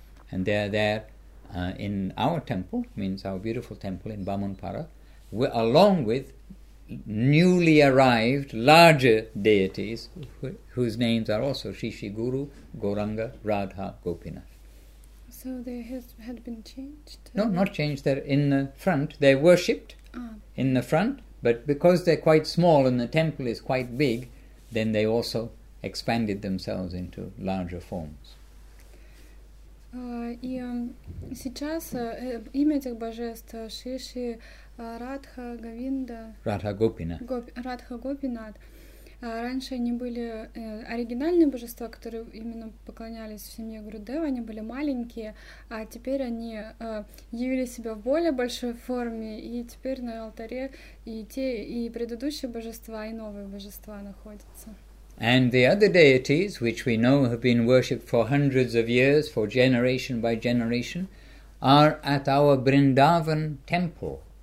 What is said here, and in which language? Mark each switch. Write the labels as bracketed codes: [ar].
[en] And they are there in our temple, means our beautiful temple in Bamanpara, along with newly arrived larger deities whose names are also Shishi Guru, Goranga, Radha, Gopinath. So they had been changed? No, not changed. They're in the front. They're worshipped in the front, but because they're quite small and the temple is quite big, then they also expanded themselves into larger forms. [ru] И сейчас имя этих божеств Шиши, Радха, Говинда... Радха Гопинат. Радха Гопинат. Раньше они были оригинальные божества, которые именно поклонялись в семье Гурудева, они были маленькие, а теперь они явили себя в более большой форме, и теперь на алтаре и те, и предыдущие божества, и новые божества находятся. [en] And the other deities, which we know have been worshipped for hundreds of years, for generation by generation, are at our Vrindavan temple.